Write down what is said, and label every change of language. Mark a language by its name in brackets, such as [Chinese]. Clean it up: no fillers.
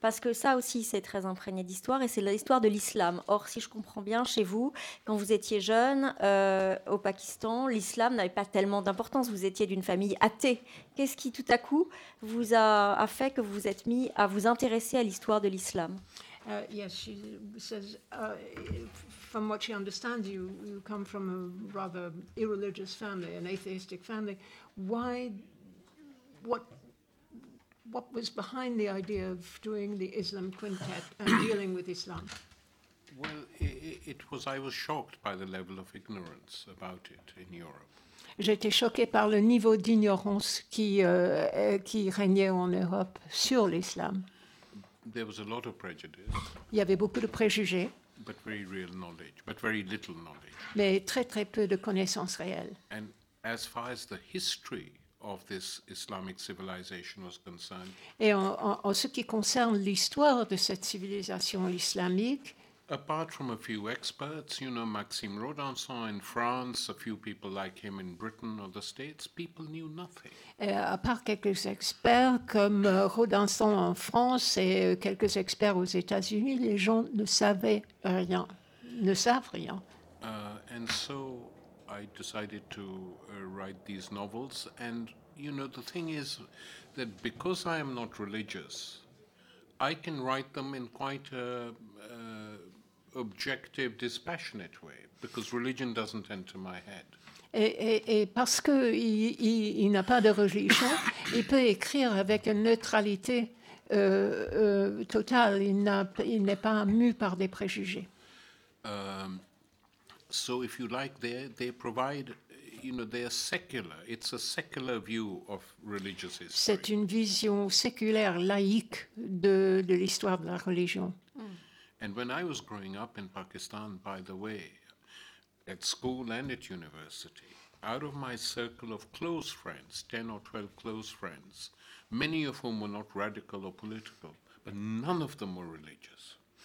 [French] Parce que ça aussi, c'est très imprégné d'histoire et c'est l'histoire de l'islam. Or, si je comprends bien, chez vous, quand vous étiez jeune au Pakistan, l'islam n'avait pas tellement d'importance. Vous étiez d'une famille athée. Qu'est-ce qui, tout à coup, vous a fait que vous vous êtes mis à vous intéresser à l'histoire de l'islam ? [English] Yes, she says, from what she understands, you come from a rather irreligious family, an atheistic family. Why, what was behind the idea of doing the Islam Quintet and dealing with Islam? Well, I was shocked by the level of ignorance about it in Europe. [French] J'étais choquée par le niveau d'ignorance qui régnait en Europe sur l'islam. [English] There was a lot of prejudice. [French] Il y avait beaucoup de préjugés. [English] But very real knowledge, but very little knowledge. [French] Mais très très peu de connaissances réelles. [English] And as far as the history of this Islamic civilization was concerned. [French] Et en ce qui concerne l'histoire de cette civilisation islamique. [English] Apart from a few experts, you know, Maxime Rodanson in France, a few people like him in Britain or the States, people knew nothing. [French] Et à part quelques experts comme Rodanson en France et quelques experts aux États-Unis, les gens ne savaient rien, ne savent rien. [English] And so I decided to write these novels. And, you know, the thing is that because I am not religious, I can write them in quite a objective, dispassionate way, because religion doesn't enter my head. [French] Et parce que il n'a pas de religion, il peut écrire avec une neutralité totale. Il n'est pas mu par des préjugés. [English] So, if you like, they provide, you know, they are secular. It's a secular view of religious history. [French] C'est une vision séculaire, laïque de l'histoire de la religion. [English] And when I was growing up in Pakistan, by the way, at school and at university, out of my circle of close friends, 10 or 12 close friends, many of whom were not radical or political, but none of them were religious.